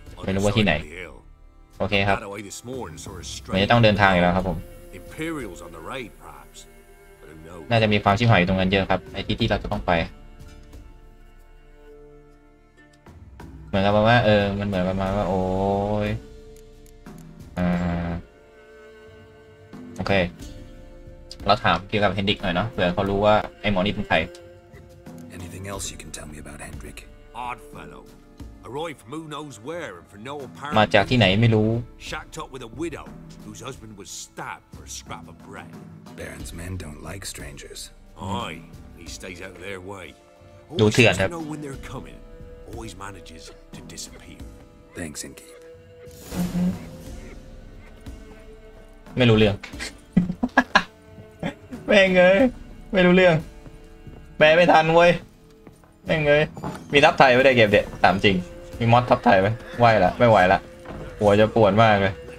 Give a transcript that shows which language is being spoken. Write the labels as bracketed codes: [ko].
[th] ไม่รู้ว่าที่ไหนโอเคครับเหมือนจะต้องเดินทางอีกแล้วครับผม [en] Imperials on the raid perhaps [th] น่าจะมีความชิบหายอยู่ตรงนั้นเยอะครับไอ้ที่ที่เราจะต้องไปเหมือนกับว่าเออมันเหมือนประมาณว่าโอ้ยโอเคเราถามเกี่ยวกับเฮนดริกหน่อยเนาะเผื่อเขารู้ว่าไอ้หมอนี่เป็นใคร [en] Anything else you can tell me about Hendrik Odd fellow arrived from who knows where and for no apparent [th] มาจากที่ไหนไม่รู้ [en] Shacked up with a widow whose husband was stabbed for a scrap of bread Baron's men don't like strangers Aye he stays out of their way [th] ดูเถื่อนครับ [en] know when they're coming always manages to disappear Thanks innkeep [th] ไม่รู้เรื่องแม่งเอ้ยไม่รู้เรื่องแปลไม่ทันเว้ยแม่งเอ้ยมีทับไทยไม่ได้เก็บเด็ดตามจริงมีมอสทับไทยไหมไหวละไม่ไหวละหัวจะปวดมากเลย